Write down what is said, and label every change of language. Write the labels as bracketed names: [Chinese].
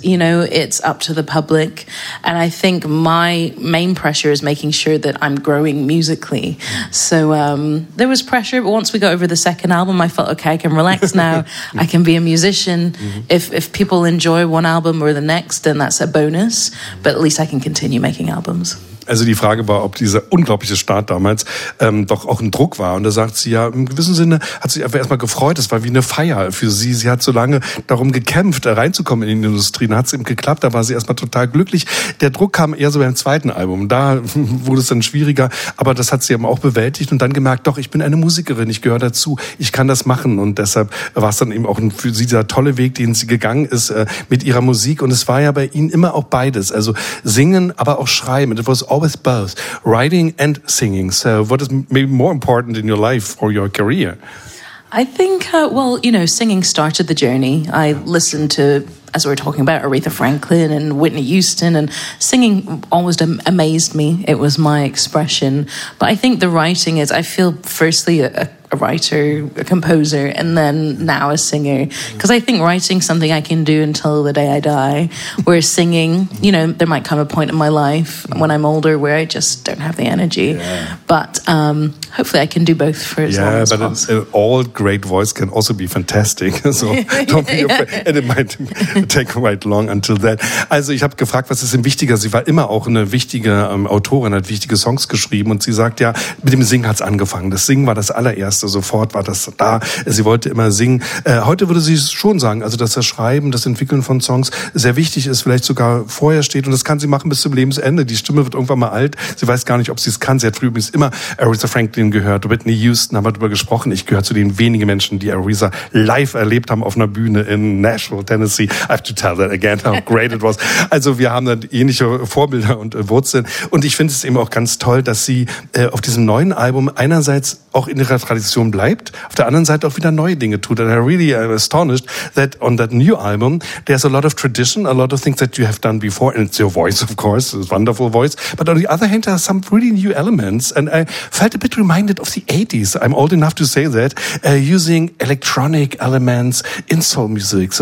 [English] You know, it's up to the public. And I think my main pressure is making sure that I'm growing musically. So there was pressure. But once we got over the second album, I felt, okay, I can relax now. I can be a musician. Mm-hmm. If people enjoy one album or the next, then that's a bonus. But at least I can continue making albums. [German] Also die Frage war, ob dieser unglaubliche Start damals doch auch ein Druck war. Und da sagt sie ja, im gewissen Sinne hat sie einfach erstmal gefreut. Es war wie eine Feier für sie. Sie hat so lange darum gekämpft, da reinzukommen in die Industrie. Dann hat es eben geklappt. Da war sie erstmal total glücklich. Der Druck kam eher so beim zweiten Album. Da wurde es dann schwieriger. Aber das hat sie eben auch bewältigt und dann gemerkt, doch, ich bin eine Musikerin. Ich gehöre dazu. Ich kann das machen. Und deshalb war es dann eben auch für sie dieser tolle Weg, den sie gegangen ist mit ihrer Musik. Und es war ja bei ihnen immer auch beides. Also singen, aber auch schreiben. [English] It was always both, writing and singing. So what is maybe more important in your life or your career? I think, singing started the journey. I listened to, as we were talking about, Aretha Franklin and Whitney Houston, and singing always amazed me. It was my expression. But I think the writing is, I feel firstly a writer, a composer, and then now a singer. Because I think writing's something I can do until the day I die. Whereas singing, you know, there might come a point in my life when I'm older where I just don't have the energy. Yeah. But hopefully I can do both for as long as possible. Yeah, but an old great voice can also be fantastic. So don't be afraid. And it might take quite long until that. [German] Also ich habe gefragt, was ist denn wichtiger? Sie war immer auch eine wichtige Autorin, hat wichtige Songs geschrieben. Und sie sagt ja, mit dem Singen hat's angefangen. Das Singen war das allererste. Sofort war das da. Sie wollte immer singen. Heute würde sie schon sagen, also dass das Schreiben, das Entwickeln von Songs sehr wichtig ist, vielleicht sogar vorher steht. Und das kann sie machen bis zum Lebensende. Die Stimme wird irgendwann mal alt. Sie weiß gar nicht, ob sie es kann. Sie hat früher übrigens immer Aretha Franklin gehört. Whitney Houston haben wir darüber gesprochen. Ich gehöre zu den wenigen Menschen, die Aretha live erlebt haben auf einer Bühne in Nashville, Tennessee. [English] I have to tell that again, how great it was. [German] Also wir haben dann ähnliche Vorbilder und Wurzeln. Und ich finde es eben auch ganz toll, dass sie auf diesem neuen Album einerseits auch in ihrer Tradition bleibt, auf der anderen Seite auch wieder neue Dinge tut. [English] And I really am astonished that on that new album, there's a lot of tradition, a lot of things that you have done before, and it's your voice, of course, it's a wonderful voice, but on the other hand, there are some really new elements, and I felt a bit reminded of the 80s, I'm old enough to say that, using electronic elements in soul music.